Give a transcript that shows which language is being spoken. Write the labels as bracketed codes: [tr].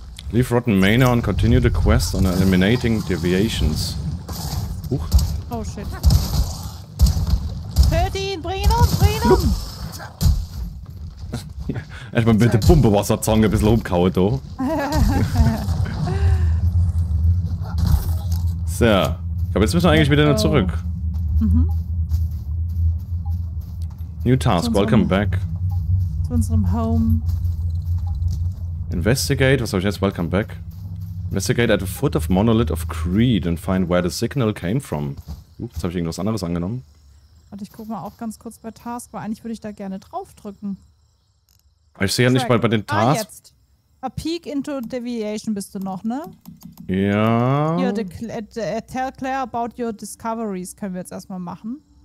[en] Leave Rotten Manor and continue the quest on eliminating deviations. Huch. Oh shit. [de] Töte ihn, bring ihn um, bring ihn um! Erstmal mit der Pumpewasserzange ein bisschen umgehauen, da. So. Ich glaube, jetzt müssen wir eigentlich wieder nur zurück. Mhm. [en] New task, [de] unserem, [en] welcome back. [de] Zu unserem Home. Investigate, was habe ich jetzt? [en] Welcome back. Investigate at the foot of Monolith of Creed and find where the signal came from. [de] Jetzt habe ich irgendwas anderes angenommen. Warte, ich guck mal auch ganz kurz bei Task, weil eigentlich würde ich da gerne draufdrücken. Ich sehe ja nicht mal bei den Tasks. Ah, jetzt. [en] A peek into deviation [de] bist du noch, ne? Ja. Hier, [en] tell Claire about your discoveries [de] können wir jetzt erstmal machen.